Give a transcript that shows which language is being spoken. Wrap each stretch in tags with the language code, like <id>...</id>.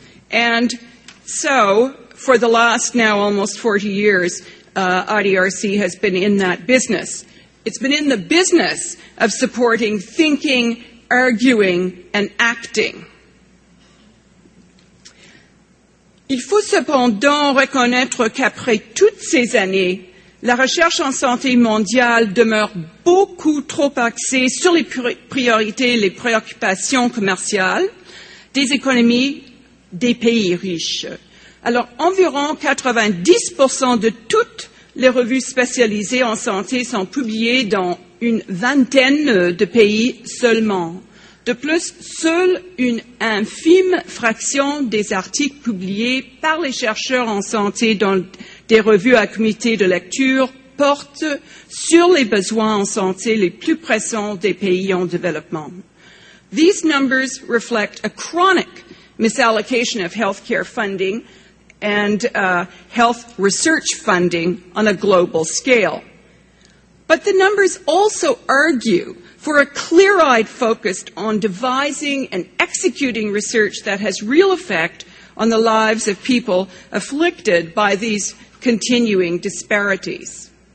<en>And so, for the last now almost 40 years, IDRC has been in that business. It's been in the business of supporting thinking, arguing, and acting.</en> <fr>Il faut cependant reconnaître qu'après toutes ces années, la recherche en santé mondiale demeure beaucoup trop axée sur les priorités et les préoccupations commerciales des économies des pays riches. Alors, environ 90% de toutes les revues spécialisées en santé sont publiées dans une vingtaine de pays seulement. De plus, seule une infime fraction des articles publiés par les chercheurs en santé dans des revues à comité de lecture portent sur les besoins en santé les plus pressants des pays en développement.</fr> <en>These numbers reflect a chronic misallocation of healthcare funding and health research funding on a global scale. But the numbers also argue for a clear-eyed focus on devising and executing research that has real effect on the lives of people afflicted by these continuing disparities.</en>